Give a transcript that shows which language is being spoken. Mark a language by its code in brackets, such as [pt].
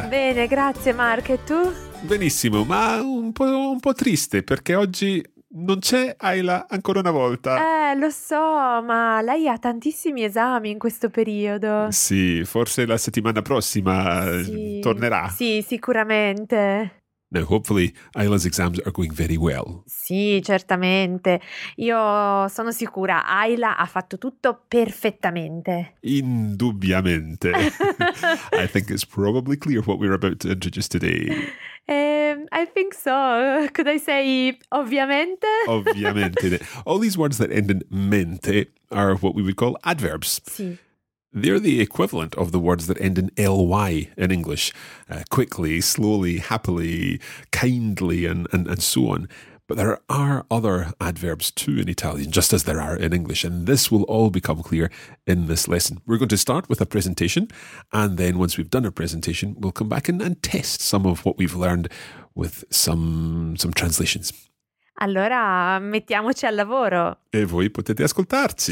[it] Bene, grazie, Mark. E tu? Benissimo, ma un po' triste perché oggi non c'è Ayla ancora una volta. Lo so, ma lei ha tantissimi esami in questo periodo. Sì, forse la settimana prossima tornerà. Sì, sicuramente. [en] Now, hopefully, Ayla's exams are going very well. [it] Sì, certamente. Io sono sicura, Ayla ha fatto tutto perfettamente. Indubbiamente. [en] I think it's probably clear what we're about to introduce today. I think so. Could I say ovviamente? [it] Ovviamente. [en] All these words that end in mente are what we would call adverbs. [it] Sì. [en] They're the equivalent of the words that end in ly in English. Quickly, slowly, happily, kindly, and so on. But there are other adverbs too in Italian, just as there are in English. And this will all become clear in this lesson. We're going to start with a presentation. And then once we've done a presentation, we'll come back and test some of what we've learned with some translations. [it] Allora, mettiamoci al lavoro. E voi potete ascoltarci.